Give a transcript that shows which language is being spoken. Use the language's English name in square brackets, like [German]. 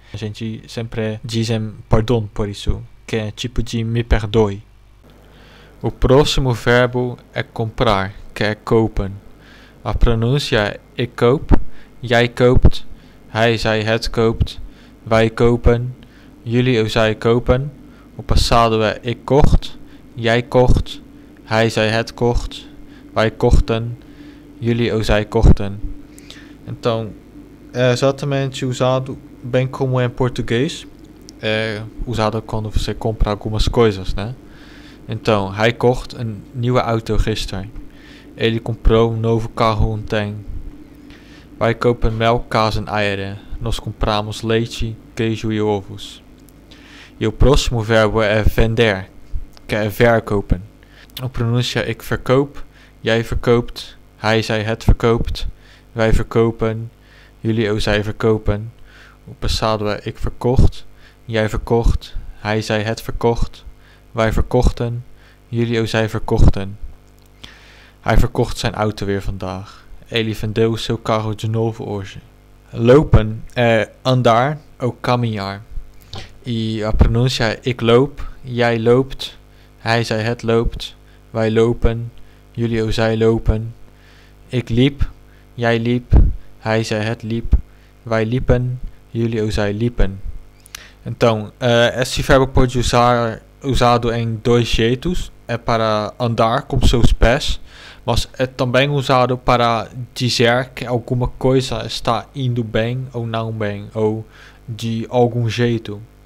[Portuguese] A gente sempre diz perdão por isso, que é tipo de me perdoe. O próximo verbo é comprar, que é kopen. A pronúncia é [Dutch] ik koop, jij koopt, hij, zij, het koopt, wij kopen, jullie, [Portuguese] ou [Dutch] zij kopen. [Portuguese] O passado é [Dutch] ik kocht, jij kocht, hij, zij, het kocht, wij kochten, jullie, [Portuguese] ou [Dutch] zij kochten. [Portuguese] Então, é exatamente usado bem como em português, é usado quando você compra algumas coisas, né? Então, [Dutch] hij kocht een nieuwe auto gisteren. [Portuguese] Ele comprou novo carro ontem. [Dutch] Wij kopen melk, kaas en eieren. [Portuguese] Nós compramos leite, queijo e ovos. E o próximo verbo é vender, que é verkopen. A pronúncia [Dutch] ik verkoop, jij verkoopt, hij, zij, het verkoopt, wij verkopen, jullie, [Portuguese] ou [Dutch] zij verkopen. [Portuguese] O passado é [Dutch] ik verkocht, jij verkocht, hij, zij, het verkocht. Wij verkochten, jullie, ook zij verkochten. Hij verkocht zijn auto weer vandaag. [Portuguese] Ele vendeu seu carro de novo hoje. Lopen, andar, ook caminhar. E a pronúncia é [Dutch] ik loop, jij loopt, hij, zij, het loopt, wij lopen, jullie, ook zij lopen. Ik liep, jij liep, hij, zij, het liep, wij liepen, jullie, ook zij liepen. [Portuguese] Então, esse verbo pode usado em dois jeitos, é para andar com seus pés, mas é também usado para dizer que alguma coisa está indo bem ou não bem, ou de algum jeito.